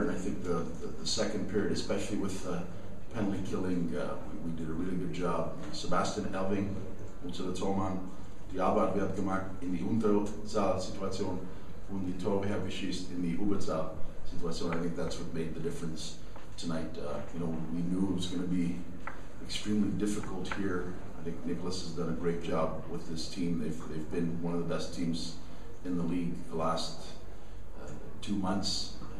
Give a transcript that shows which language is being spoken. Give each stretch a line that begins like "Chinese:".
English: And I think the second period, especially with penalty killing, we did a really good job.
German: Sebastian Elving, unser Tormann. Die Arbeit wird gemacht in die Unterzahl-Situation und die Tore haben geschießt in die Überzahl-Situation.
English: I think that's what made the difference tonight. You know, we knew it was going to be extremely difficult here. I think Niklas has done a great job with this team. They've been one of the best teams in the league the last 2 months.